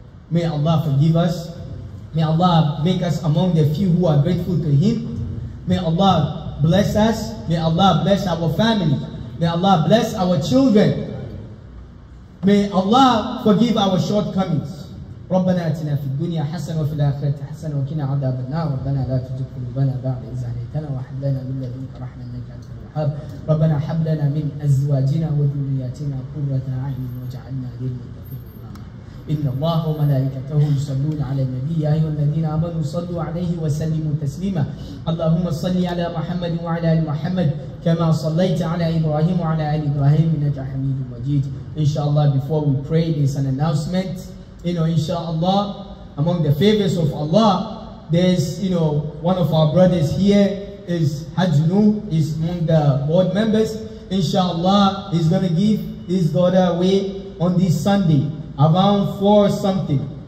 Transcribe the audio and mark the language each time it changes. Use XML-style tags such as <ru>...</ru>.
<en>May Allah forgive us. May Allah make us among the few who are grateful to Him. May Allah bless us. May Allah bless our family. May Allah bless our children. May Allah forgive our shortcomings.</en> <ar>ربنا آتنا في الدنيا حسنة وفي الآخرة حسنة وقنا عذاب النار ربنا لا تزغ قلوبنا بعد إذ هديتنا وهب لنا من لدنك رحمة إنك أنت الوهاب ربنا هب لنا من أزواجنا وذرياتنا قرة أعين واجعلنا للمتقين إماما إن الله وملائكته يصلون على النبي يا أيها الذين آمنوا صلوا عليه وسلموا تسليما اللهم صل على محمد وعلى آل محمد كما صليت على إبراهيم وعلى آل إبراهيم إنك حميد مجيد إن شاء الله</ar> <en>before we pray there's an announcement. You know, inshallah, among the favors of Allah, there's, you know, one of our brothers here is Hajnu, is among the board members. Inshallah, he's going to give his daughter away on this Sunday, around 4 something.</en>